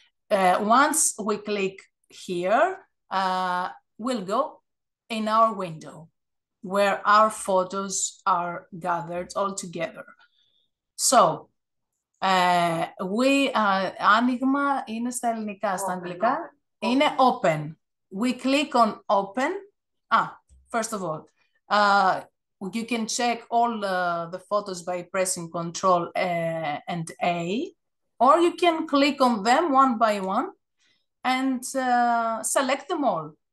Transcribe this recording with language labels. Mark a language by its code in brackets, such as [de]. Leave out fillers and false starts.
[en] Once we click here, we'll go in our window, where our photos are gathered all together. So, we, [el] άνοιγμα είναι στα ελληνικά, στα αγγλικά, είναι open. [en] We click on open. Ah, first of all, you can check all the photos by pressing Control and A, or you can click on them one by one and select them all.